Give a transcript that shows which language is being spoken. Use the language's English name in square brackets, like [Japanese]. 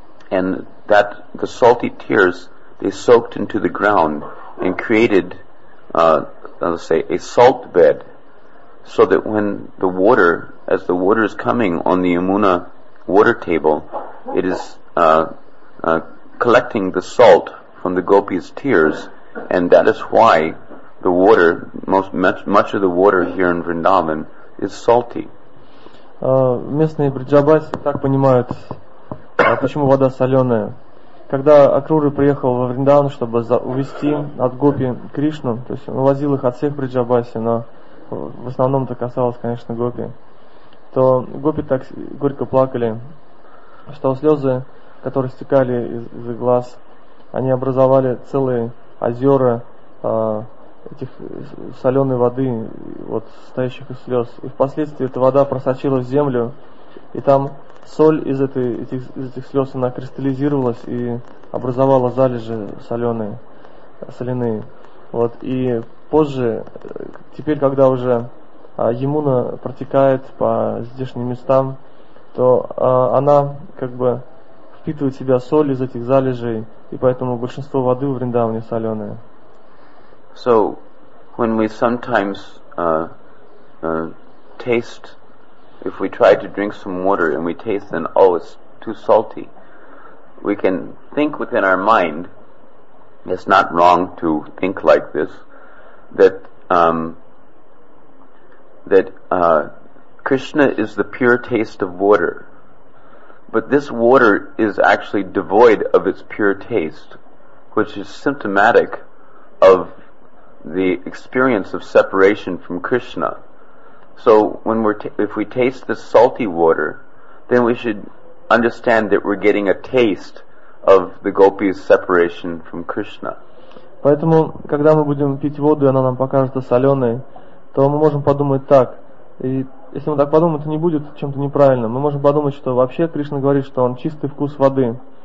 [English] And that the salty tears they soaked into the ground and created, let's say, a salt bed, so that when the water, as the water is coming on the Yamuna water table, it is collecting the salt from the gopis' tears, and that is why the water, much of the water here in Vrindavan is salty. [Russian] Местные бриджабаси так понимают, почему вода соленая. Когда Акрура приехал во Вриндаван, чтобы увести от гопи Кришну, то есть он увозил их от всех бриджабаси, но в основном это касалось, конечно, гопи, то гопи так горько плакали, что слезы, которые стекали из глаз, они образовали целые озера этих соленой воды, вот стоящих из слез. И впоследствии эта вода просочилась в землю, и там соль из этих слез она кристаллизировалась и образовала залежи соленые. Вот. И позже, теперь, когда уже Ямуна протекает по здешним местам, то она как бы впитывает в себя соль из этих залежей, и поэтому большинство воды в Вриндаване соленое. [English] So when we sometimes taste, if we try to drink some water and we taste and oh, it's too salty, we can think within our mind, it's not wrong to think like this, that Krishna is the pure taste of water. But this water is actually devoid of its pure taste, which is symptomatic of the experience of separation from Krishna. So when if we taste this salty water, then we should understand that we're getting a taste of the gopis' separation from Krishna. [Russian] Поэтому, когда мы будем пить воду, и она нам покажется соленой, то мы можем подумать так. И если мы так подумаем, это не будет чем-то неправильным. Мы можем подумать, что вообще Кришна говорит, что он чистый вкус воды.